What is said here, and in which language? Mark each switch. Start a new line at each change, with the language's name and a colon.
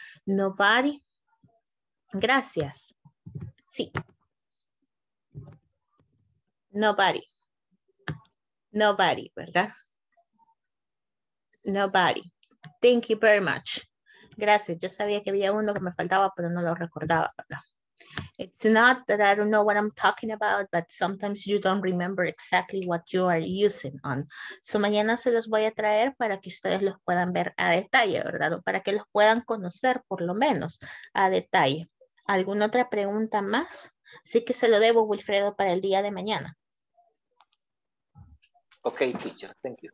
English: Nobody.
Spanish: Gracias. Sí.
English: Nobody. Nobody,
Spanish: ¿verdad?
English: Nobody. Thank you very much.
Spanish: Gracias. Yo sabía que había uno que me faltaba, pero no lo recordaba. No.
English: It's not that I don't know what I'm talking about, but sometimes you don't remember exactly what you are using on.
Spanish: So mañana se los voy a traer para que ustedes los puedan ver a detalle, ¿verdad? O para que los puedan conocer por lo menos a detalle. ¿Alguna otra pregunta más? Sí que se lo debo, Wilfredo, para el día de mañana.
English: Ok, teacher. Thank you.